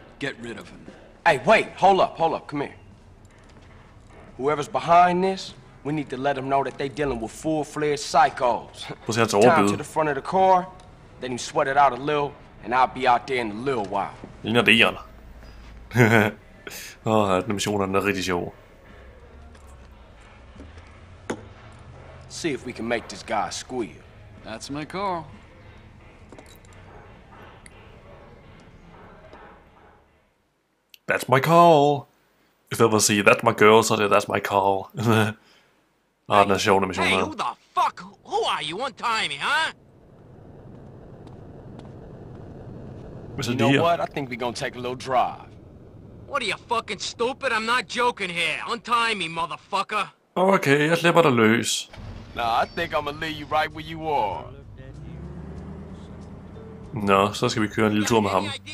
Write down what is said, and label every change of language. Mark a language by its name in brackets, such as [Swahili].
[English] Get rid of him. Hey, wait, hold up, come here. Whoever's behind this, we need to let them know that they're dealing with full-fledged psychos. Was that all good? To the front of the car, then you sweat it out a little. And I'll be out there in a little while. [Danish] Ligner det Ion? Åh, den mission er rigtig sjov. [English] See if we can make this guy squeal. That's my call. That's my call. If I ever see that my girl, [Danish] så det, [English] that's my call. [Danish] Åh, den er sjov, den mission. [English] Hey, who the fuck? Who are you? Untie me, huh? [Danish] Hvad så lige? [English] You know what? I think we're gonna take a little drive. What are you fucking stupid? I'm not joking here. Untie me, motherfucker. [Danish] Okay, jeg slipper dig løs. [English] Nah, I think I'm gonna leave you right where you are. [Danish] Nå, så skal vi køre en lille tur med ham.